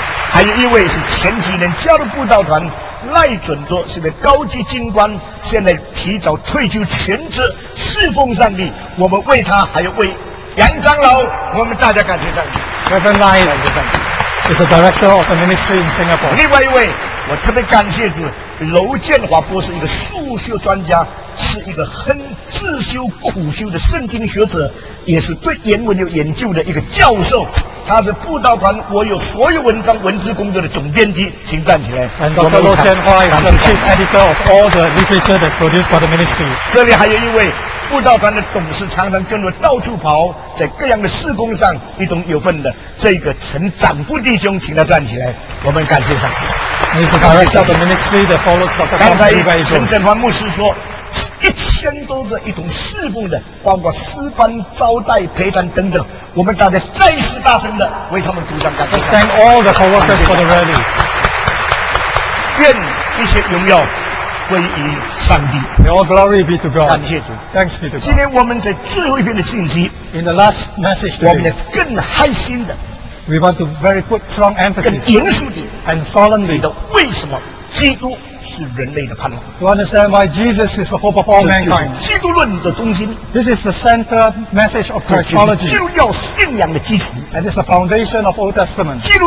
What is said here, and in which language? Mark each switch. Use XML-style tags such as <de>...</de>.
<zh>还有一位是前几年加入布道团赖准多，是个高级军官，现在提早退休全职侍奉上帝，我们为他还有为杨长老我们大家感谢上帝。</zh> <en>Reverend Lai</en> <zh>感谢上帝。</zh> <en>He's a director of the ministry in Singapore.</en> <zh>另外一位我特别感谢是娄建华博士，一个数学专家，是一个很自修苦修的圣经学者，也是对原文有研究的一个教授，他是布道团我有所有文章文字工作的总编辑，请站起来。</zh> <en>娄建华 is the chief editor of all the literature that's produced by the ministry.</en> <zh>这里还有一位布道团的董事，常常跟我到处跑，在各样的事工上一同有份的这个陈长富弟兄，请他站起来，我们感谢上帝。你是刚才叫的</zh> <en>ministry that follows the</en> <zh>gospel. 刚才陈振华牧师说，一千多个一同侍奉的，包括师班、招待、陪谈等等，我们大家再次大声的为他们鼓掌，感谢。</zh> <en>Thank all the co-workers for the rally.</en> <zh>愿一切荣耀归于上帝。</zh> <en>May all glory be to God.</en> <zh>感谢主。</zh> <en>Thanks be to God.</en> <zh>今天我们在最后一篇的信息</zh> <en>，In the last message，</en> <zh>我们要更开心的。</zh> <en>We want to very put strong emphasis and solemnly to understand why Jesus is the hope of all mankind. This is the center message of Christology. And it's the foundation of Old Testament.</en>